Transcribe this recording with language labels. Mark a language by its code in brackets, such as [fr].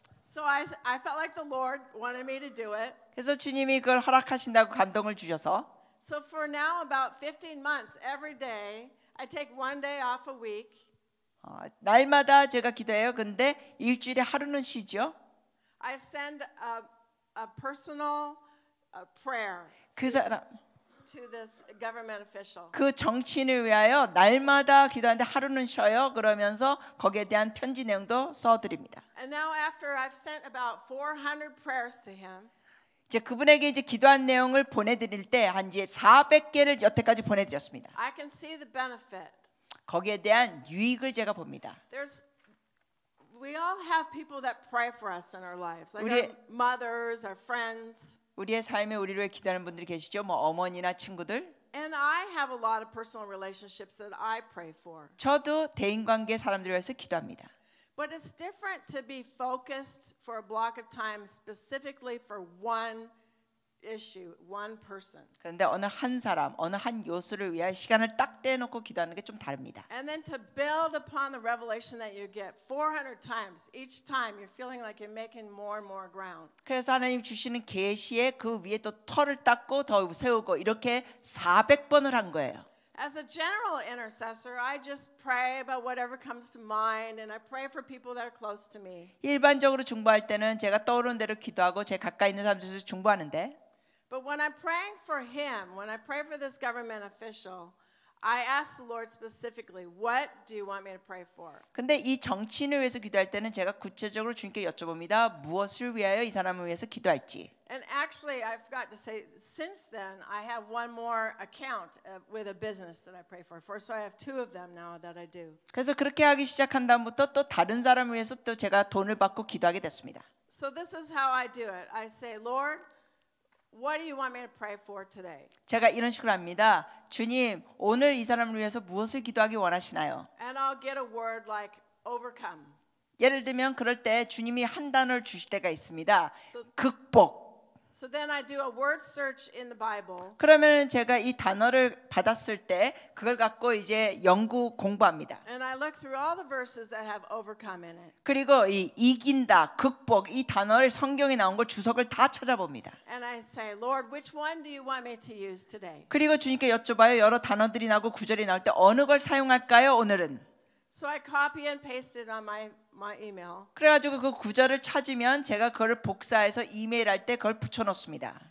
[en] So I felt like the Lord wanted me to do it. [ko] 그래서 주님이 그걸 허락하신다고 감동을 주셔서. [en] So for now about 15 months every day I take one day off a week. [ko] 날마다 제가 기도해요. 근데 일주일에 하루는 쉬죠. [en] I send a personal prayer. [ko] 그 사람 [en] to this government official. [ko] 그 정치인을 위하여 날마다 기도하는데 하루는 쉬어요. 그러면서 거기에 대한 편지 내용도 써 드립니다. [en] And now after I've sent about 400 prayers to him. [ko] 이제 그분에게 이제 기도한 내용을 보내 드릴 때 한 이제 400개를 여태까지 보내 드렸습니다. [en] I can see the benefit. [ko] 거기에 대한 유익을 제가 봅니다. [en] We all have people that pray for us in our lives. Like our mothers, our friends. [ko] 우리의 삶에 우리를 위해 기도하는 분들이 계시죠. 뭐 어머니나 친구들. [en] And I have a lot of personal relationships that I pray for. [ko] 저도 대인관계 사람들을 위해서 기도합니다. [en] But it's different to be focused for a block of time specifically for one issue, one person. [ko] 근데 어느 한 사람, 어느 한 요소를 위해 시간을 딱 떼 놓고 기도하는 게 좀 다릅니다. [en] And then to build upon the revelation that you get 400 times, each time you're feeling like you're making more and more ground. [ko] 그래서 하나님 주시는 계시에 그 위에 또 터를 닦고 더 세우고 이렇게 400번을 한 거예요. [en] As a general intercessor, I just pray about whatever comes to mind and I pray for people that are close to me. [ko] 일반적으로 중보할 때는 제가 떠오르는 대로 기도하고 제 가까이 있는 사람들을 중보하는데. [en] But when I'm praying for him, when I pray for this government official, I ask the Lord specifically, what do you want me to pray for? [ko] 근데 이 정치인을 위해서 기도할 때는 제가 구체적으로 주님께 여쭤봅니다. 무엇을 위하여 이 사람을 위해서 기도할지. [en] And actually, I forgot to say, since then, I have one more account with a business that I pray for. First, so I have two of them now that I do. [ko] 그래서 그렇게 하기 시작한 다음부터 또 다른 사람을 위해서 또 제가 돈을 받고 기도하게 됐습니다. [en] So this is how I do it. I say, Lord, what do you want me to pray for today? [ko] 제가 이런 식으로 합니다. 주님, 오늘 이 사람을 위해서 무엇을 기도하기 원하시나요? [en] And I'll get a word like overcome. [ko] 예를 들면 그럴 때 주님이 한 단어를 주실 때가 있습니다. 극복. [en] So then I do a word search in the Bible. [ko] 그러면 제가 이 단어를 받았을 때 그걸 갖고 이제 연구 공부합니다. [en] And I look through all the verses that have overcome in it. [ko] 그리고 이 이긴다, 극복 이 단어를 성경에 나온 걸 주석을 다 찾아봅니다. [en] And I say, Lord, which one do you want me to use today? [ko] 그리고 주님께 여쭤봐요. 여러 단어들이 나고 구절이 나올 때 어느 걸 사용할까요, 오늘은? [en] So I copy and paste it on my email. [ko] 그래가지고 그 구절을 찾으면 제가 그걸 복사해서 이메일 할 때 그걸 붙여놓습니다.